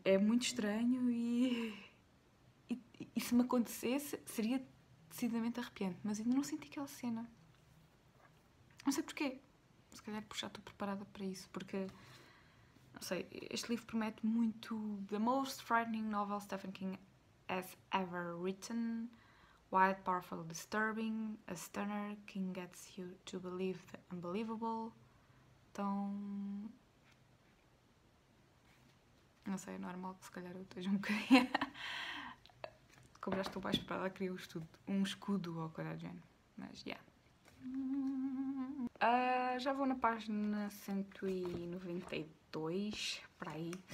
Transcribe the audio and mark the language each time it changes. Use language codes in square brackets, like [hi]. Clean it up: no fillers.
[pt] É muito estranho e se me acontecesse, seria decididamente arrepiante. Mas ainda não senti aquela cena. Não sei porquê. Se calhar porque já estou preparada para isso. Porque, não sei, este livro promete muito. [en] The most frightening novel Stephen King has ever written. Wild, powerful, disturbing. A stunner. King gets you to believe the unbelievable. [pt] Então, não sei, é normal que se calhar eu esteja um bocadinho. Como já estou mais preparada, queria um escudo ou coisa do género. Mas, já. Já vou na página 192, para aí.